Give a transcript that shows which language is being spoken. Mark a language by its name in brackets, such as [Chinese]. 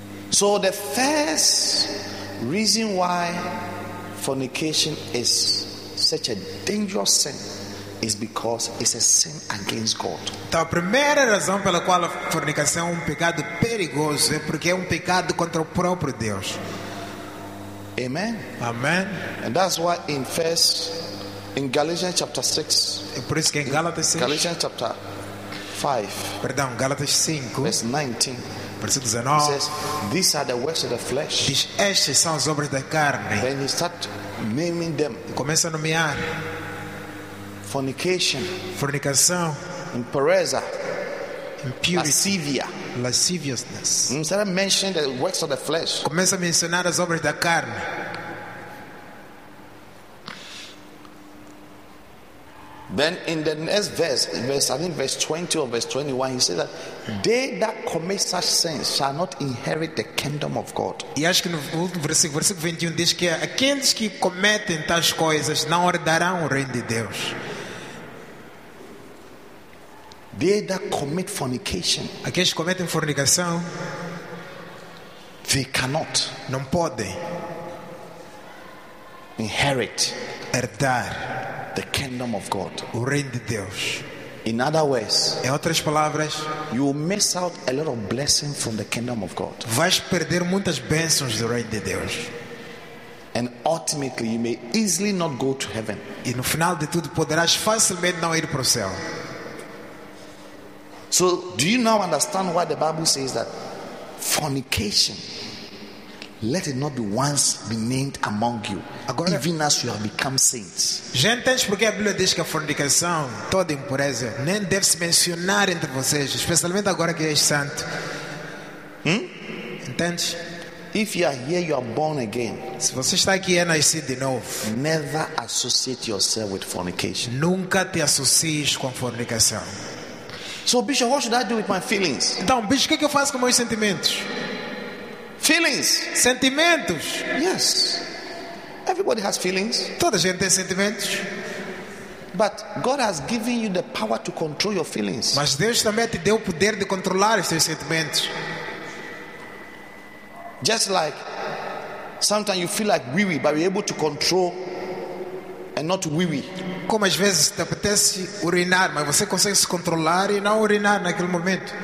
[English] So the first reason why fornication is such a dangerous sin is because it's a sin against God. [Portuguese] Então, a primeira razão pela qual a fornicação é pecado perigoso é porque é pecado contra o próprio Deus. [English] Amen. Amen. And that's why in first in Galatians chapter 6. [Portuguese] É por isso que em Gálatas 6. [English] Galatians chapter 5. [Portuguese] Perdão, Gálatas 5. [English] Verse 19. [Portuguese] Versículo 19. [English] Says, these are the works of the flesh. [Portuguese] Diz, estas são as obras da carne. [English] Then he start naming them. [Portuguese] Começa a nomear. [English] Fornication. [Portuguese] Fornicação. Impureza. [English] Impurity. [Portuguese] Lascivia. [English] Lasciviousness. Instead of mentioning the works of the flesh, [Portuguese] começa a mencionar as obras da carne. [English] Verse Then in the next verse, verse 20 or verse 21, he says that they that commit such sins shall not inherit the kingdom of God. [Portuguese] E acho que no último versículo, versículo 21, diz que aqueles que cometem tais coisas não herdarão o reino de Deus. [English] They that commit fornication, [Portuguese] aqueles que cometem fornicação, [English] they cannot, [Portuguese] não podem [English] inherit, [Portuguese] herdar [English] the kingdom of God, [Portuguese] o reino de Deus. [English] In other words, [Portuguese] em outras palavras, [English] you will miss out a lot of blessing from the kingdom of God. [Portuguese] Vais perder muitas bênçãos do reino de Deus. [English] And ultimately, you may easily not go to heaven. [Portuguese] E no final de tudo, poderás facilmente não ir para o céu. [English] So, do you now understand why the Bible says that fornication, let it not be once be named among you, [Portuguese] agora, [English] even as you have become saints? [Portuguese] Já entende porque a Bíblia diz que a fornicação, toda impureza, nem deve se mencionar entre vocês, especialmente agora que és santo. Entende? [English] If you are here, you are born again. [Portuguese] Se você está aqui, é nascido de novo. [English] Never associate yourself with fornication. [Portuguese] Nunca te associes com fornicação. [English] So, Bishop, what should I do with my feelings? [Portuguese] Então, Bishop, o que eu faço com meus sentimentos? [English] Feelings. [Portuguese] Sentimentos. [English] Yes. Everybody has feelings. [Portuguese] Toda gente tem sentimentos. [English] But God has given you the power to control your feelings. [Portuguese] Mas Deus também te deu o poder de controlar os seus sentimentos. [English] Just like sometimes you feel like weary, but you're able to control and not weary. [Portuguese] Como às vezes te apetece urinar, mas você consegue se controlar e não urinar naquele momento.